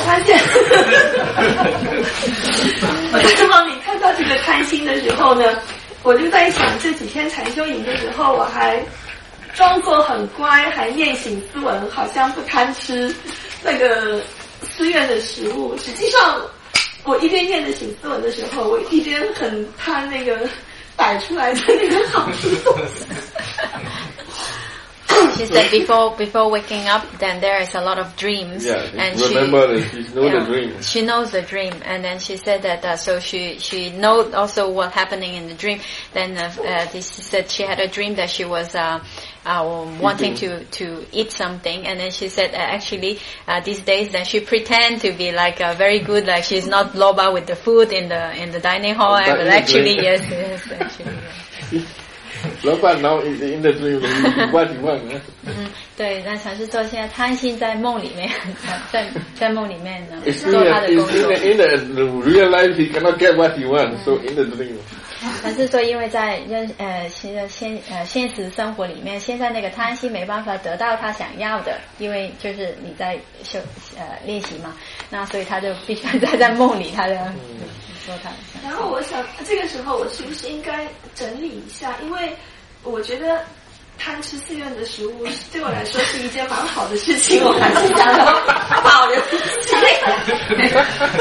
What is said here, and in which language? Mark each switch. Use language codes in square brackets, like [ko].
[zh] 发现当你看到这个贪心的时候呢，我就在想这几天禅修营的时候我还装作很乖，还念醒斯文，好像不贪吃那个寺院的食物，实际上我一边念着醒斯文的时候，我一边很贪那个摆出来的那个好吃东西。 [en] She said before waking up, then there is a lot of dreams. Yeah, and remember that she knows the dream. She knows the dream, and then she said that so she know also what happening in the dream. Then she said she had a dream that she was wanting to eat something, and then she said actually these days that she pretend to be like very good, like she's not loba with the food in the dining hall, and but actually yes. 老板 now is in the dream, what you want, huh? [zh] 对，那禅师说现在贪心在梦里面，在梦里面呢， it's 做他的工作。 [en] In the real life, he cannot get what he want, so in the dream. [zh] 禅师说因为在现实生活里面，现在那个贪心没办法得到他想要的，因为就是你在练习嘛，那所以他就必须在梦里他的。然后我想这个时候我是不是应该整理一下，因为我觉得贪吃寺院的食物对我来说是一件蛮好的事情，我还是想要保留自己。